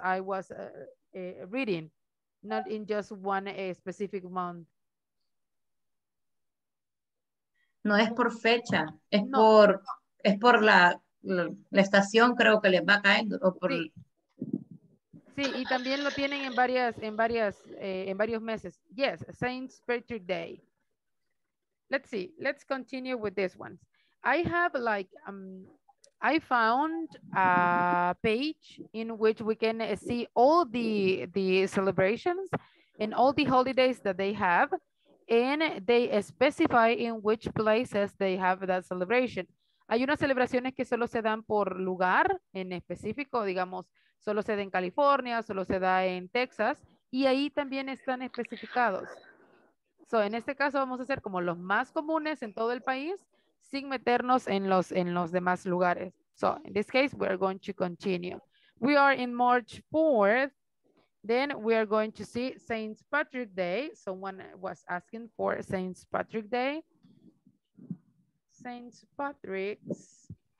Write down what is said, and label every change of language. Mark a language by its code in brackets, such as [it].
[en] I was reading, not in just one specific month. [es] No es por fecha, es no. Por es por la estación, creo que les va cayendo o por sí. Sí, y también lo tienen en varios meses. [en] Yes, Saint Patrick's Day. Let's see. Let's continue with this one. I have like I found a page in which we can see all the celebrations and all the holidays that they have. And they specify in which places they have that celebration. [es] Hay unas celebraciones que solo se dan por lugar en específico, digamos, solo se da en California, solo se da en Texas, y ahí también están especificados. So, en este caso vamos a hacer como los más comunes en todo el país, sin meternos en los demás lugares. [en] So, in this case, we are going to continue. We are in March 4th. Then we are going to see Saint Patrick's Day. Someone was asking for Saint Patrick's Day. Saint Patrick's.